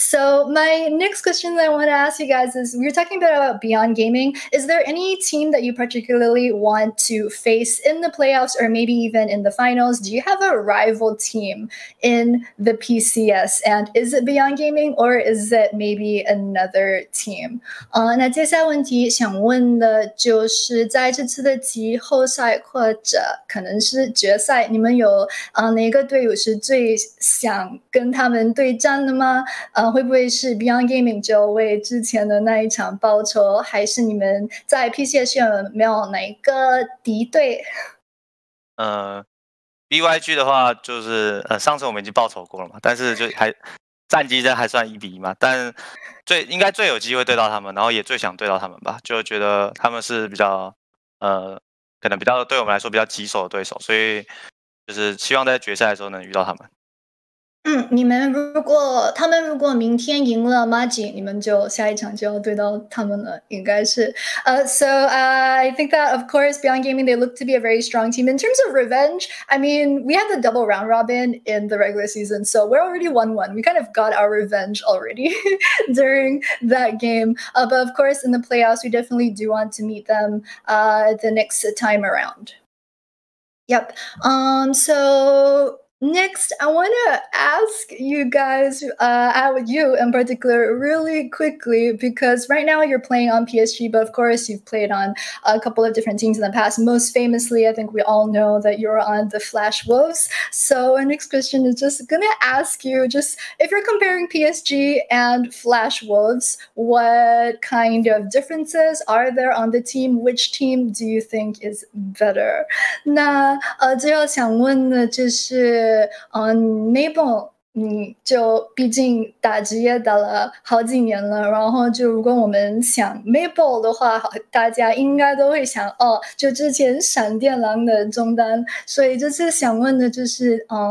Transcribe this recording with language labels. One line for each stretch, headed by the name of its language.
English: So my next question that I want to ask you guys is, we were talking a bit about Beyond Gaming. Is there any team that you particularly want to face in the playoffs or maybe even in the finals? Do you have a rival team in the PCS? And is it Beyond Gaming or is it maybe another team?
Chinese: 那接下来问题想问的就是在这次的季后赛或者可能是决赛，你们有哪个队伍是最想跟他们对战的吗？会不会是 Beyond Gaming 就为之前的那一场报仇，还是你们在 PCS 有没有哪一个敌对？ BYG 的话就是上次我们已经报仇过了嘛，但是就还战绩还算一比一嘛，但最应该最有机会对到他们，然后也最想对到他们吧，就觉得他们是比较可能比较对我们来说比较棘手的对手，所以就是希望在决赛的时候能遇到他们。你们如果他们如果明天赢了 Magic， 你们就下一场就要对到他们了，应该是。
English: I think that of course Beyond Gaming they look to be a very strong team. In terms of revenge, I mean we had the double round robin in the regular season, so we're already 1-1. We kind of got our revenge already during that game. But of course in the playoffs, we definitely do want to meet them the next time around. Yep. Next, I want to ask you guys, you in particular, really quickly, because right now you're playing on PSG, but of course you've played on a couple of different teams in the past. Most famously, I think we all know that you're on the Flash Wolves. So our next question is just going to ask you, just if you're comparing PSG and Flash Wolves, what kind of differences are there on the team? Which team do you think is better?
Chinese: 那最后想问的就是Mabel， 你就毕竟打职业打了好几年了，然后就如果我们想 Mabel 的话，大家应该都会想哦，就之前闪电狼的中单，所以这次想问的就是